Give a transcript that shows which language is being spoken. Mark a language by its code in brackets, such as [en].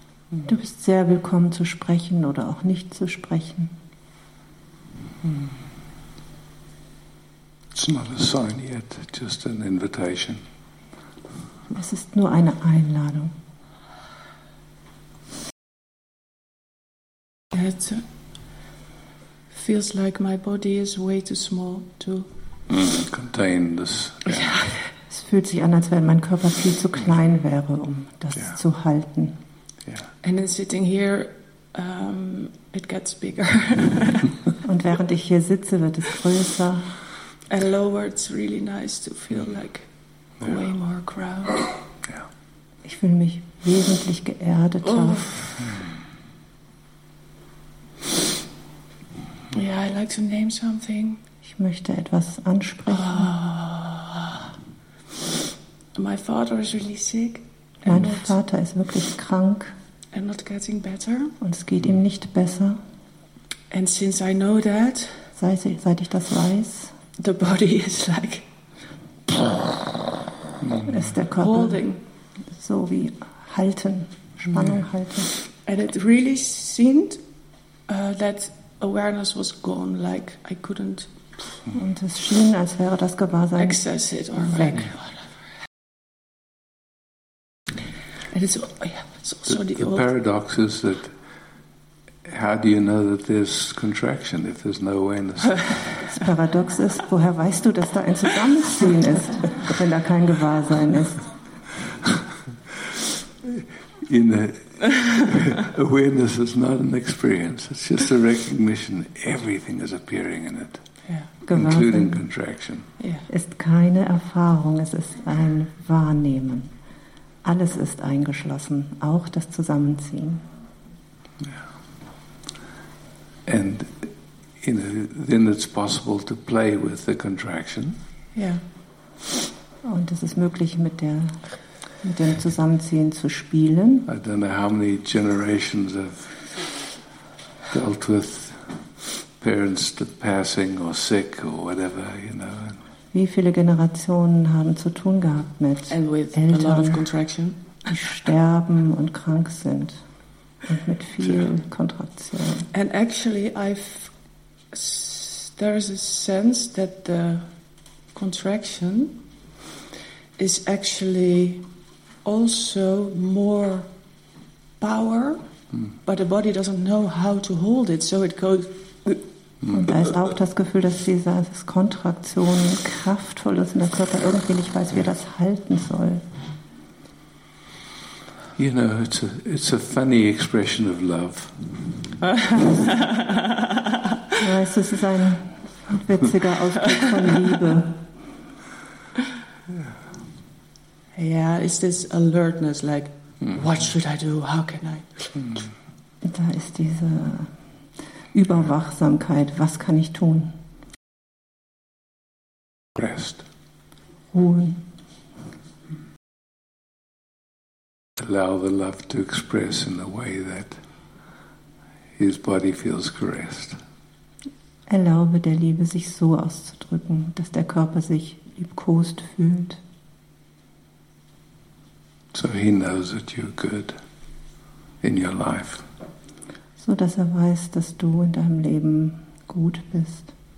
[de] Du bist sehr willkommen zu sprechen oder auch nicht zu sprechen. [en] It's not a sign yet, just an invitation. [de] Es ist nur eine Einladung. [en] It feels like my body is way too small to contain this. [de] Es fühlt sich an, als wenn mein Körper viel zu klein wäre, um das zu halten. [en] Yeah. And in sitting here, it gets bigger. Und während ich hier sitze, wird es größer. And lower, it's really nice to feel like way more ground. Yeah. [de] Ich fühle mich wesentlich geerdeter. [en] Yeah, I like to name something. [de] Ich möchte etwas ansprechen. [en] My father is really sick. [de] Mein Vater ist wirklich krank. [en] And not getting better. [de] Und es geht ihm nicht besser. [en] And since I know that, [de] seit ich das weiß, [en] the body is like, [de] ist der Körper [en] holding. [de] So wie halten, Spannung halten. [en] And it really seemed that awareness was gone, like I couldn't. [de] Und es schien, als wäre das Gewahrsein [en] access it or [de] weg. [en] It's also the paradox is that How do you know that there's contraction if there's no awareness? [de] Das Paradox ist, woher weißt du, dass da ein Zusammenziehen ist, wenn da kein Gewahrsein ist? [en] In the awareness is not an experience. It's just a recognition. Everything is appearing in it, yeah. Including contraction. [de] Yeah. Ist keine Erfahrung. Es ist ein Wahrnehmen. Alles ist eingeschlossen, auch das Zusammenziehen. Yeah. [en] And you know, then it's possible to play with the contraction. Yeah. [de] Und es ist möglich, mit dem Zusammenziehen zu spielen. [en] I don't know how many generations have dealt with parents passing or sick or whatever, you know. [de] Wie viele Generationen haben zu tun gehabt mit Eltern, die sterben und krank sind und mit viel Kontraktion? [en] And actually, there is a sense that the contraction is actually also more power, but the body doesn't know how to hold it, so it goes. [de] Und da ist auch das Gefühl, dass diese Kontraktion kraftvoll ist und der Körper irgendwie nicht weiß, wie er das halten soll. [en] You know, it's a funny expression of love. [de] Du weißt, es ist ein witziger Ausdruck von Liebe. [en] Yeah, it's this alertness, like, what should I do? How can I? [de] Da ist diese Überwachsamkeit. Was kann ich tun? [en] Rest. [de] Ruhen. [en] Allow the love to express in a way that his body feels caressed. [de] Erlaube der Liebe, sich so auszudrücken, dass der Körper sich liebkost fühlt. [en] So he knows that you're good in your life. [de] So dass er weiß, dass du in deinem Leben gut bist.